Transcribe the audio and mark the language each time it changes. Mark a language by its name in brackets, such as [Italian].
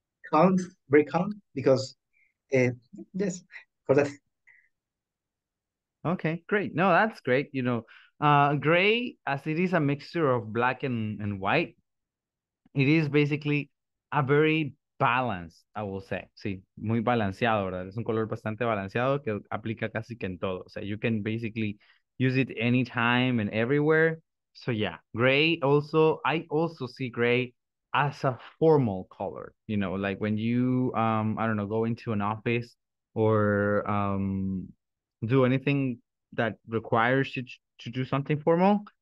[English] Calm, very calm, because yes, for that. Okay, great. No, that's great. You know, gray, as it is a mixture of black and white, it is basically a very balanced, I will say. [Spanish] Sí, muy balanceado, ¿verdad? Es un color bastante balanceado que aplica casi que en todo. O sea, [English] you can basically use it anytime and everywhere. So yeah, gray also, I also see gray as a formal color, you know, like when you I don't know, go into an office or do anything that requires you to do something formal.